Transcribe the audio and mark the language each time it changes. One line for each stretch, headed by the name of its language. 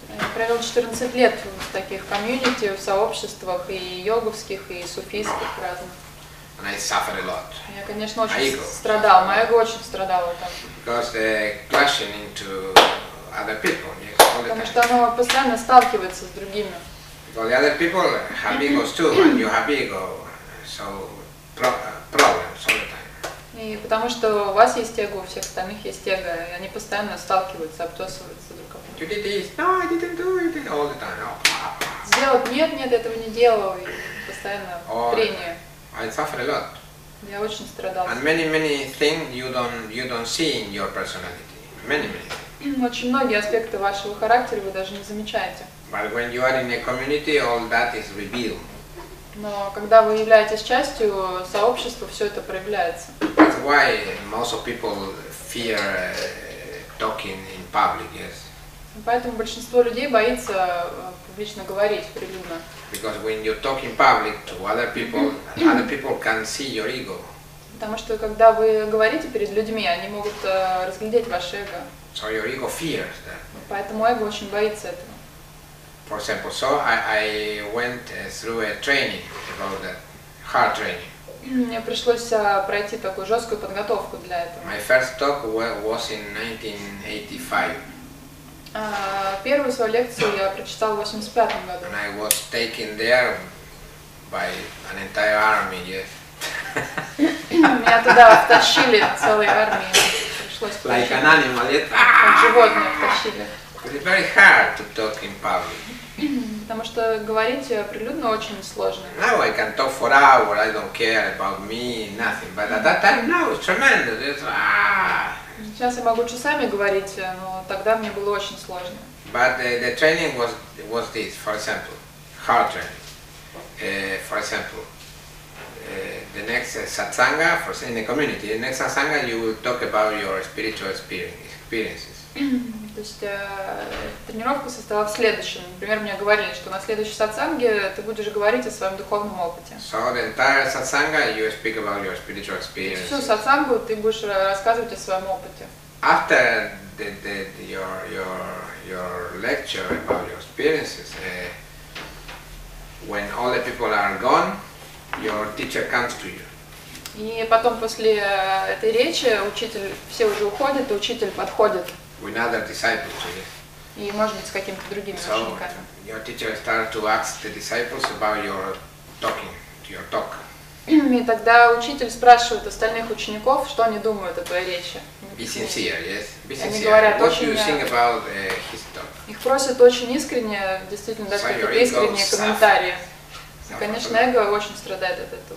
Russian: Я провел 14 лет в таких комьюнити, в сообществах и йоговских, и суфийских разных.
English: And I suffered a lot.
Russian: Я, конечно, очень страдал. Мое эго очень страдало там.
English: Because they clashing into other people. Yes,
Russian: потому что оно постоянно сталкивается с другими.
English: Well, the other people have egos too, and you have ego, so problems all the time.
Russian: И потому что у вас есть эго, у всех остальных есть эго, и они постоянно сталкиваются, обтесываются друг об друга.
English: You did this. No, I didn't do it all the time.
Russian: Сделать нет, этого не делал, и постоянно трение.
English: I suffer a lot.
Russian: Я очень страдал.
English: And many things you don't see in your personality. Many.
Russian: Очень многие аспекты вашего характера вы даже не замечаете.
English: But when you are in a community, all that is revealed.
Russian: Но когда вы являетесь частью сообщества, все это проявляется.
English: That's why most of people fear talking in public, yes.
Russian: Поэтому большинство людей боится публично говорить, прилюдно.
English: Because when you talk in public to other people can see your ego.
Russian: Потому что когда вы говорите перед людьми, они могут разглядеть ваше эго.
English: So your ego fears that.
Russian: Поэтому эго очень боится этого.
English: For example, so I went through a training about that, hard training.
Russian: Мне пришлось пройти такую жесткую подготовку для этого.
English: My first talk was in 1985.
Russian: Первую свою лекцию я прочитал в 85 году.
English: And I was taken there by an entire army, yes.
Russian: Меня туда втащили целой армией. Пришлось
English: like
Russian: прощать.
English: An animal, yes.
Russian: Как животное втащили.
English: It's very hard to talk in public.
Russian: Потому что говорить прилюдно очень сложно.
English: Now I can talk for hours, I don't care about me, nothing. But at that time, no, it's tremendous. It's,
Russian: Сейчас я могу часами говорить, но тогда мне было очень сложно.
English: But the training was this, for example, hard training. For example, the next satsanga, for say in the community, the next satsanga you will talk about your spiritual experiences.
Russian: То есть тренировка состояла в следующем. Например, мне говорили, что на следующей сатсанге ты будешь говорить о своем духовном опыте.
English: So the entire satsanga you speak about your spiritual experience.
Russian: Всю сатсангу ты будешь рассказывать о своем опыте.
English: After the your lecture about your experiences, when all the people are gone, your teacher comes to you.
Russian: И потом после этой речи учитель все уже уходят, и учитель подходит.
English: With other disciples,
Russian: и может быть с какими-то другими учениками.
English: Your teacher starts to ask the disciples about your talking, your talk.
Russian: И тогда учитель спрашивает остальных учеников, что они думают о твоей речи.
English: Be sincere, yes. Be sincere.
Russian: Они говорят,
English: what
Russian: очень
English: do you think about his talk?
Russian: Их просят очень искренне, действительно, дать какие-то искренние комментарии.
English: No,
Russian: конечно, эго очень страдает от этого.